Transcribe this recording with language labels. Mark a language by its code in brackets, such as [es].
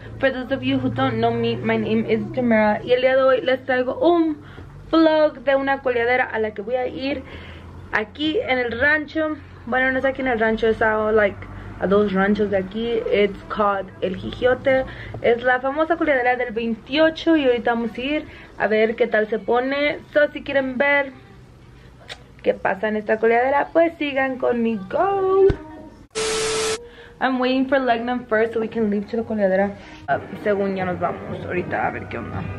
[en] For those of you who don't know me, my name is Jamera. [es] Y el día de hoy les traigo un vlog de una coleadera a la que voy a ir aquí en el rancho. Bueno, no es aquí en el rancho, es [en] like [es] a dos ranchos de aquí. [en] It's called [es] El Jijote. Es la famosa coleadera del 28 y ahorita vamos a ir a ver qué tal se pone. So, si quieren ver qué pasa en esta coleadera, pues sigan conmigo. [en] I'm waiting for Legnum first so we can leave to the coleadera. [es] Según ya nos vamos ahorita a ver qué onda.